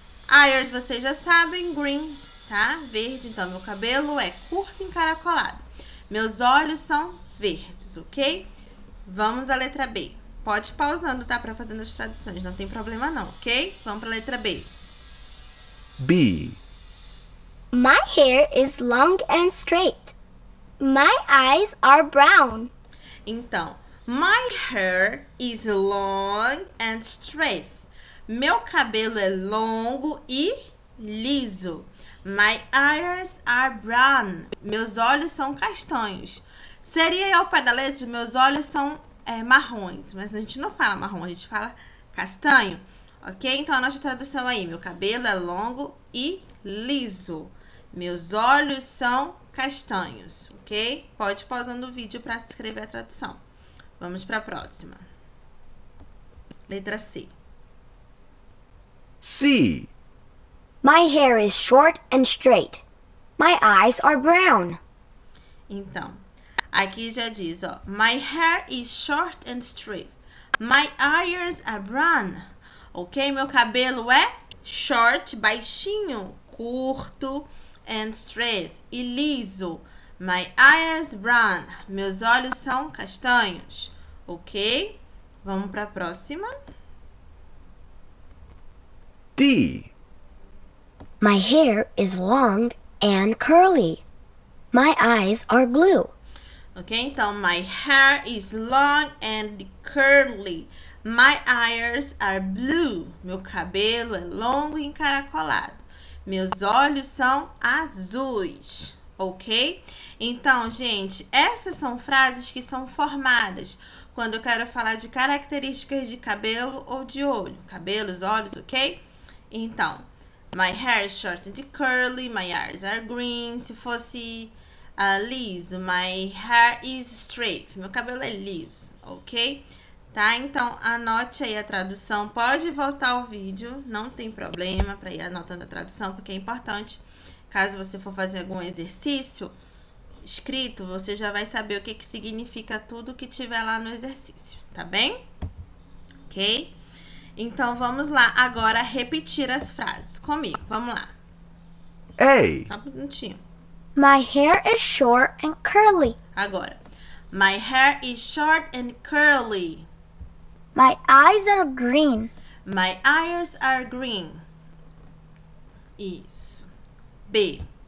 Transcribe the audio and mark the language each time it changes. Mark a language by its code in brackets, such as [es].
[pt] Eyes, vocês já sabem, green. Tá? Verde, então, meu cabelo é curto e encaracolado. Meus olhos são verdes, ok? Vamos à letra B. Pode ir pausando, tá? Pra fazer as traduções, não tem problema não, ok? Vamos pra letra B. B. [en] My hair is long and straight. My eyes are brown. Então, my hair is long and straight. [pt] Meu cabelo é longo e liso. [en] My eyes are brown. [pt] Meus olhos são castanhos. Seria ao pé da letra, meus olhos são marrons. Mas a gente não fala marrom, a gente fala castanho. Ok? Então, a nossa tradução aí. Meu cabelo é longo e liso. Meus olhos são castanhos. Ok? Pode ir pausando o vídeo para escrever a tradução. Vamos para a próxima. Letra C. C. [en] My hair is short and straight. My eyes are brown. [pt] Então, aqui já diz, ó. [en] My hair is short and straight. My eyes are brown. Ok? [pt] Meu cabelo é short, baixinho, curto, [en] and straight, [pt] e liso. [en] My eyes brown. [pt] Meus olhos são castanhos. Ok? Vamos para a próxima. D. [en] My hair is long and curly. My eyes are blue. Ok, então, my hair is long and curly. My eyes are blue. [pt] Meu cabelo é longo e encaracolado. Meus olhos são azuis. Ok? Então, gente, essas são frases que são formadas quando eu quero falar de características de cabelo ou de olho. Cabelos, olhos, ok? [en] Então, my hair is short and curly, my eyes are green. [pt] Se fosse liso, [en] my hair is straight. [pt] Meu cabelo é liso, ok? Tá? Então, anote aí a tradução. Pode voltar ao vídeo, não tem problema para ir anotando a tradução, porque é importante. Caso você for fazer algum exercício escrito, você já vai saber o que, que significa tudo que tiver lá no exercício, tá bem? Ok? Então, vamos lá agora repetir as frases comigo. Vamos lá. [en] Hey. [pt] Só um minutinho. [en] My hair is short and curly. [pt] Agora. [en] My hair is short and curly. My eyes are green. My eyes are green. Isso. B.